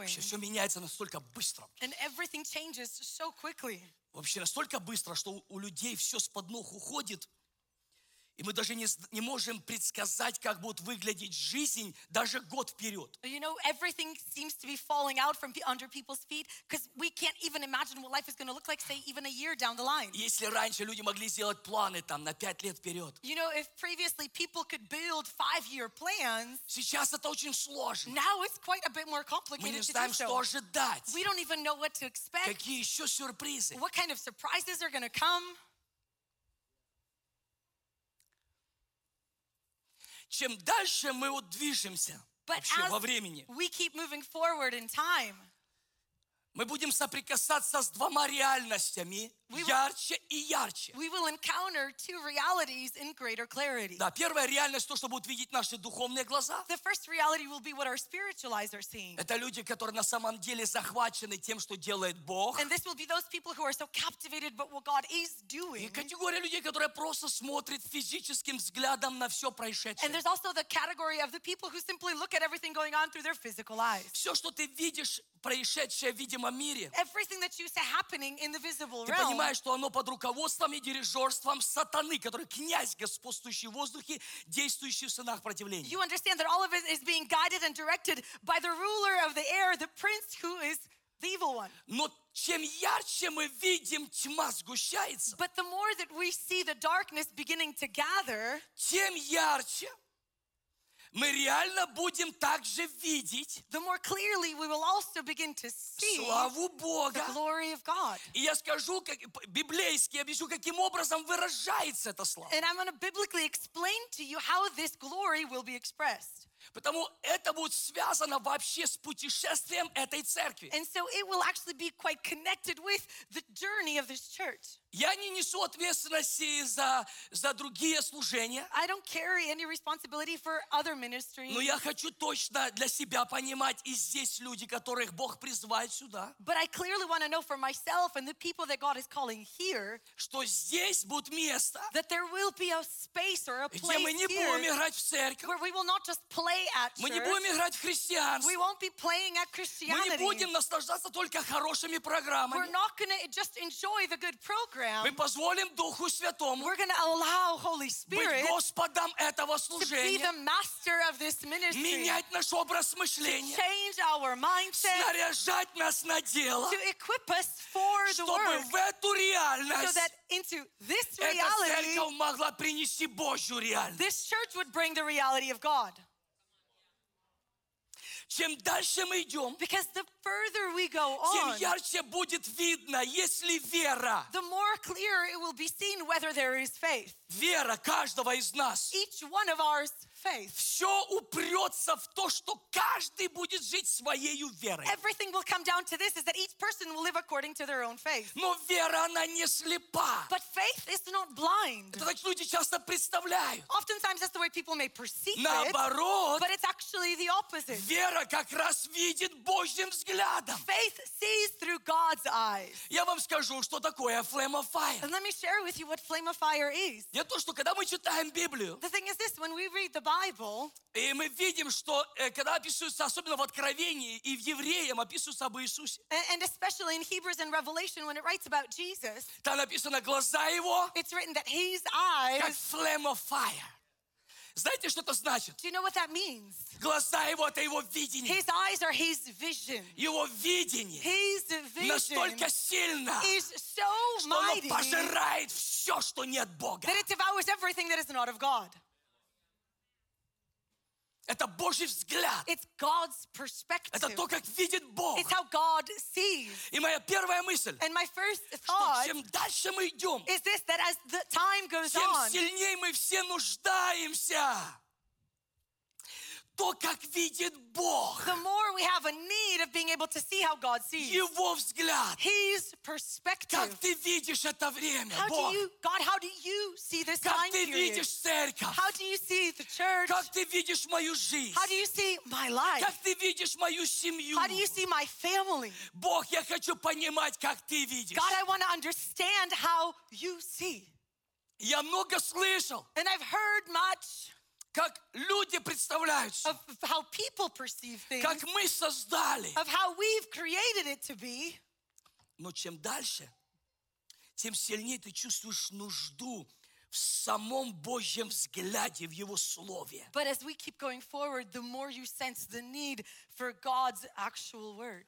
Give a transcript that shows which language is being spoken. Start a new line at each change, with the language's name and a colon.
Russian: вообще все меняется настолько быстро.
English: And everything changes so quickly.
Russian: Вообще настолько быстро, что у людей все с под ног уходит, и мы даже не можем предсказать, как будет выглядеть жизнь даже год вперед.
English: You know, everything seems to be falling out from under people's feet, because we can't even imagine what life is going to look like, say, even a year down the line.
Russian: Если раньше люди могли сделать планы там на 5 лет вперед.
English: You know, if previously people could build 5-year plans.
Russian: Сейчас это очень сложно.
English: Now it's quite a bit more complicated.
Russian: Мы не знаем, что ожидать.
English: We don't even know what to expect.
Russian: Какие еще сюрпризы?
English: What kind of surprises are going to come?
Russian: Чем дальше мы вот движемся вообще во времени,
English: we keep moving forward in time,
Russian: мы будем соприкасаться с двумя реальностями ярче и ярче.
English: We will encounter two realities in greater clarity.
Russian: Да, первая реальность то, что будут видеть наши духовные глаза.
English: The first reality will be what our spiritual eyes are seeing.
Russian: Это люди, которые на самом деле захвачены тем, что делает Бог.
English: And this will be those people who are so captivated by what God is doing.
Russian: И категория людей, которые просто смотрят физическим взглядом на все происшедшее.
English: And there's also the category of the people who simply look at everything going on through their physical eyes.
Russian: Все, что ты видишь происшедшее в видимом мире.
English: Everything that you see happening in the visible realm.
Russian: Понимаешь, что оно под руководством и дирижерством сатаны, который князь, господствующий в воздухе, действующий в сынах противления.
English: You understand that all of it is being guided and directed by the ruler of the air, the prince who is the evil one.
Russian: Но чем ярче мы видим, тьма сгущается.
English: But the more that we see the darkness beginning to gather,
Russian: тем ярче мы реально будем также видеть,
English: the more clearly we will also begin to see,
Russian: славу Бога,
English: the glory of God.
Russian: И я скажу, как, библейски объясню, каким образом выражается эта слава.
English: And I'm going to biblically explain to you how this glory will be expressed.
Russian: Потому это будет связано вообще с путешествием этой церкви.
English: And so it will actually be quite connected with the journey of this church.
Russian: Я не несу ответственности за другие служения.
English: I don't carry any responsibility for other ministries.
Russian: Но я хочу точно для себя понимать, и здесь люди, которых Бог призывает сюда.
English: But I clearly want to know for myself and the people that God is calling here,
Russian: что здесь будет место,
English: that there will be a space or a place
Russian: где мы не будем играть в церковь,
English: where we will not just play at church.
Russian: Мы не будем играть в христианство.
English: We won't be playing at Christianity.
Russian: Мы не будем наслаждаться только хорошими программами.
English: We're not going to just enjoy the good programs.
Russian: Мы позволим Духу Святому
English: we're going to allow Holy Spirit
Russian: быть Господом этого служения,
English: to be the master of this ministry,
Russian: менять наш образ мышления,
English: to change our mindset,
Russian: снаряжать нас на дело,
English: to equip us for the
Russian: чтобы
English: work,
Russian: в эту реальность
English: so that into this reality,
Russian: эта церковь могла принести Божью реальность.
English: This church would bring the reality of God.
Russian: Чем дальше мы идем,
English: because the further we go on,
Russian: тем ярче будет видно, есть ли вера.
English: The more clear it will be seen whether there is faith.
Russian: Вера каждого из нас.
English: Each one of ours faith.
Russian: Все упрется в то, что каждый будет жить своей верой.
English: Everything will come down to this, is that each person will live according to their own faith.
Russian: Но вера, она не слепа.
English: But faith is not blind.
Russian: Это так люди часто представляют.
English: Oftentimes that's the way people may perceive
Russian: наоборот,
English: it. But it's actually the opposite.
Russian: Вера как раз видит Божьим взглядом.
English: Faith sees through God's eyes.
Russian: Я вам скажу, что такое
English: flame of fire. And let me share with you what flame of fire is.
Russian: Я то, что когда мы читаем Библию,
English: the thing is this, when we read the Bible,
Russian: и мы видим, что когда описывается, особенно в Откровении и в Евреям, описывается об Иисусе.
English: And especially in Hebrews and Revelation, when it writes about Jesus,
Russian: там написано глаза его,
English: it's written that his eyes,
Russian: как
English: flame of fire.
Russian: Знаете, что это значит?
English: Do you know what that means?
Russian: Глаза его, это его видение.
English: His eyes are his vision.
Russian: Его видение.
English: His vision.
Russian: Настолько сильно,
English: is so mighty,
Russian: что оно пожирает все, что нет Бога.
English: That it devours everything that is not of God.
Russian: Это Божий взгляд.
English: It's God's perspective.
Russian: Это то, как видит Бог.
English: It's how God sees.
Russian: И моя первая мысль.
English: And my first thought.
Russian: Чем дальше мы идем.
English: Is this that as the time goes
Russian: тем сильнее мы все нуждаемся. то, как видит Бог.
English: The more we have a need of being able to see how God sees.
Russian: Его взгляд.
English: His perspective.
Russian: Как ты видишь это время,
English: how
Russian: Бог?
English: Do you, God, how do you see this
Russian: как
English: time period?
Russian: Как ты видишь церковь?
English: How do you see the church?
Russian: Как ты видишь мою жизнь?
English: How do you see my life?
Russian: Как ты видишь мою семью?
English: How do you see my family?
Russian: Бог, я хочу понимать, как ты видишь.
English: God, I want to understand how you see.
Russian: Я много слышал.
English: And I've heard much.
Russian: Как люди представляются.
English: Of how people perceive things.
Russian: Как мы создали.
English: Of how we've created it to be.
Russian: Но чем дальше, тем сильнее ты чувствуешь нужду в самом Божьем взгляде, в Его Слове.
English: But as we keep going forward, the more you sense the need for God's actual word.